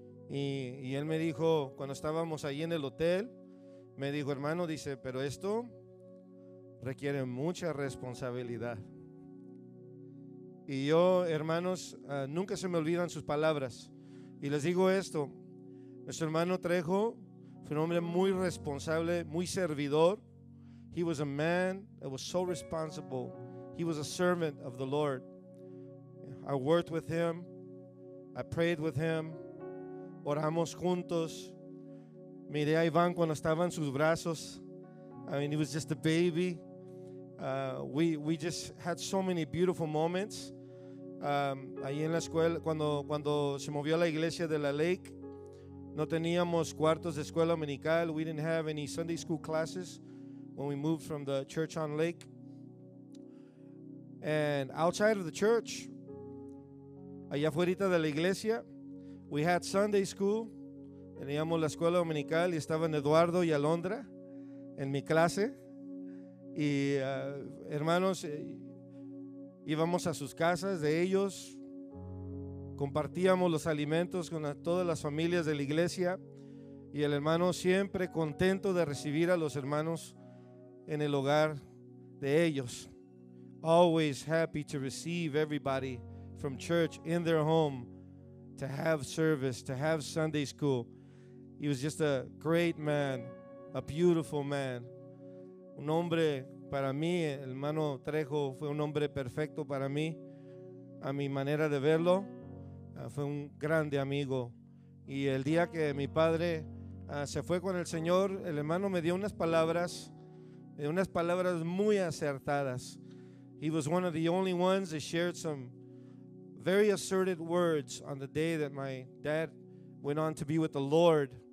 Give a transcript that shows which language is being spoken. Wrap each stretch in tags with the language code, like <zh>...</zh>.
<es>Y él me dijo, cuando estábamos ahí en el hotel, me dijo, hermano, dice, pero esto requiere mucha responsabilidad. Y yo, hermanos, nunca se me olvidan sus palabras. Y les digo esto: nuestro hermano Trejo fue un hombre muy responsable, muy servidor.</es> <en>He was a man that was so responsible. He was a servant of the Lord. I worked with him. I prayed with him.</en> <es>Oramos juntos. Miré a Iván cuando estaba en sus brazos.</es> <en>I mean, he was just a baby. We just had so many beautiful moments.</en> <es>Ahí en la escuela, cuando se movió a la iglesia de la Lake, no teníamos cuartos de escuela dominical.</es> <en>We didn't have any Sunday school classes when we moved from the church on Lake. And outside of the church,</en> <es>allá afuera de la iglesia,</es> <en>we had Sunday school.</en> <es>Teníamos la escuela dominical y estaban Eduardo y Alondra en mi clase. Y hermanos, íbamos a sus casas de ellos, compartíamos los alimentos con todas las familias de la iglesia, y el hermano siempre contento de recibir a los hermanos en el hogar de ellos.</es> <en>Always happy to receive everybody from church in their home, to have service, to have Sunday school. He was just a great man, a beautiful man.</en> <es>Un hombre para mí, el hermano Trejo fue un hombre perfecto para mí, a mi manera de verlo. Fue un grande amigo. Y el día que mi padre se fue con el Señor, el hermano me dio unas palabras muy acertadas.</es> <en>He was one of the only ones that shared some very assertive words on the day that my dad went on to be with the Lord.</en>